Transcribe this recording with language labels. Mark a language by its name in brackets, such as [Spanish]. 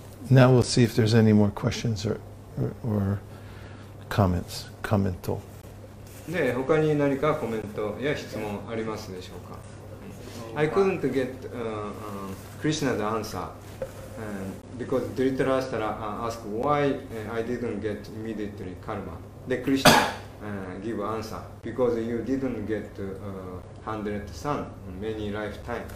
[English] Now we'll see if there's any more questions or comments, commental. [Japanese] で、他に何かコメントや質問ありますでしょうか? [English] I couldn't get Krishna's answer because Dhritarashtra asked why I didn't get immediately karma. The Krishna give answer because you didn't get 100 sun many lifetimes.